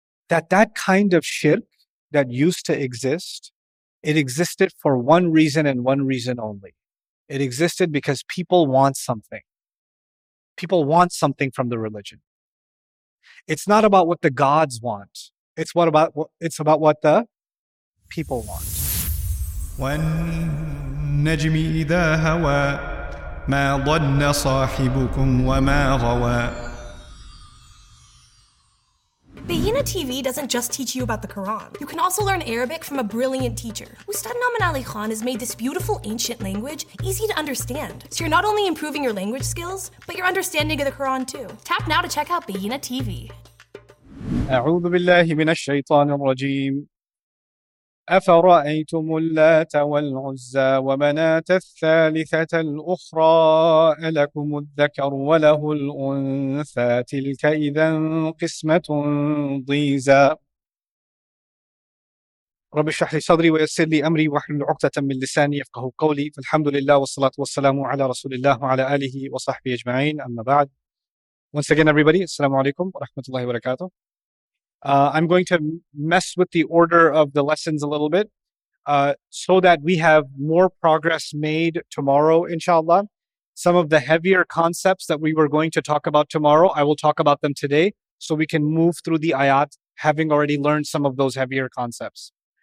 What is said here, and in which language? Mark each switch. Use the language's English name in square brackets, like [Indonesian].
[English] That kind of shirk that used to exist, it existed for one reason and one reason only. It existed because people want something. People want something from the religion. It's not about what the gods want. It's about what the people want. When [Arabic] نجم إذا هوى ما ضل صاحبكم وما غوى. [English] Bahina TV doesn't just teach you about the Quran. You can also learn Arabic from a brilliant teacher. Ustad Noman Ali Khan has made this beautiful ancient language easy to understand. So you're not only improving your language skills, but your understanding of the Quran too. Tap now to check out Bahina TV. [Arabic] أعوذ بالله من الشيطان الرجيم. أفرأيتم اللات والعزى ومناة الثالثة الأخرى ألكم الذكر وله الأنثى تلك إذا قسمة ضيزى رب اشرح لي صدري ويسر لي أمري واحلل عقدة من لساني يفقه قولي فالحمد لله والصلاة والسلام على رسول الله وعلى آله وصحبه أجمعين أما بعد [English] Once again everybody, [Arabic] السلام عليكم ورحمة الله وبركاته. [English] I'm going to mess with the order of the lessons a little bit so that we have more progress made tomorrow, inshallah. Some of the heavier concepts that we were going to talk about tomorrow, I will talk about them today so we can move through the ayat having already learned some of those heavier concepts.